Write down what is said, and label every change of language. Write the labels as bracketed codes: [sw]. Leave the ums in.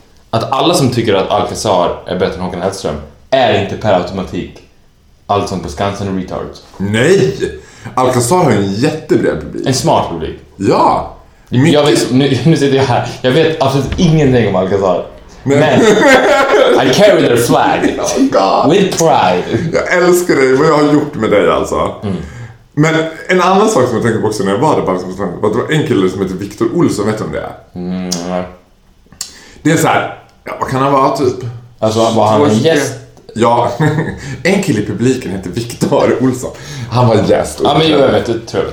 [sv] Att alla som tycker att Alcazar är bättre än Håkan Hellström är inte per automatik Allsång på Skansen och Retards. Nej! Alcazar har en jättebred publik. En smart publik. Ja! Mikkel. Jag vet, nu, nu sitter jag här. Jag vet absolut ingenting om Alcazar. Men, men [en] I carry their flag. Oh With pride. [sv] Jag älskar dig, vad jag har gjort med dig alltså. Mm. Men en annan sak som jag tänker på också när jag var där var att det var en kille som hette Victor Olsson, vet du om det är? Mm. Det är så här, ja, vad kan han vara typ? Alltså var han, Ja, en kille i publiken heter Viktor Olsson. Han var gäst. Yes ja, för... men jag vet, det tror jag.